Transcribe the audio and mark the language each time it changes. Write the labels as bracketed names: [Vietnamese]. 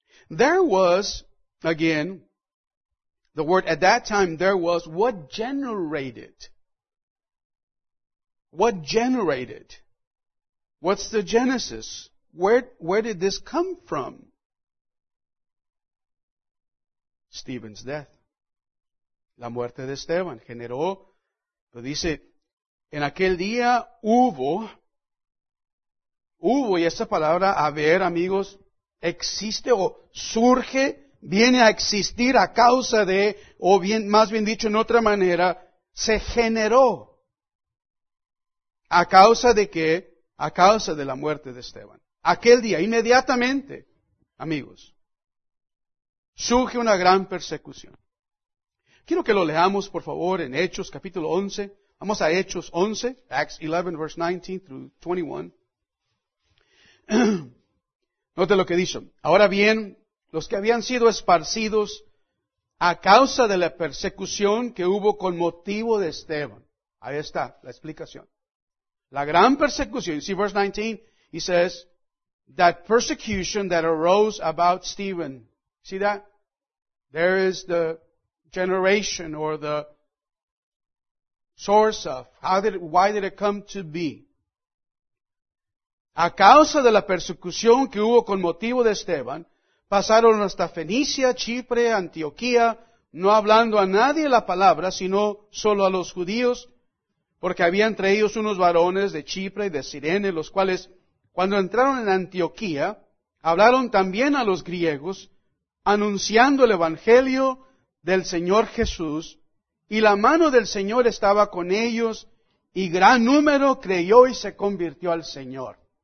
[English] There was, again, the word at that time, there was what generated. What generated? What's the genesis? Where did this come from? Stephen's death. [Spanish] La muerte de Esteban generó. Lo dice, en aquel día hubo, y esa palabra, a ver, amigos, existe o surge, viene a existir a causa de, o bien, más bien dicho en otra manera, se generó. ¿A causa de qué? A causa de la muerte de Esteban. Aquel día, inmediatamente, amigos, surge una gran persecución. Quiero que lo leamos, por favor, en Hechos, capítulo 11. Vamos a Hechos 11, [English] Acts 11, verse 19 through 21. [Spanish] Note lo que dice. Ahora bien, los que habían sido esparcidos a causa de la persecución que hubo con motivo de Esteban. Ahí está la explicación. La gran persecución. [English] See verse 19. He says, that persecution that arose about Stephen. See that? There is the generation or the source of. Why did it come to be? [Spanish] A causa de la persecución que hubo con motivo de Esteban, pasaron hasta Fenicia, Chipre, Antioquía, no hablando a nadie la palabra, sino solo a los judíos, porque había entre ellos unos varones de Chipre y de Cirene, los cuales, cuando entraron en Antioquía, hablaron también a los griegos, anunciando el Evangelio del Señor Jesús, y la mano del Señor estaba con ellos, y gran número creyó y se convirtió al Señor.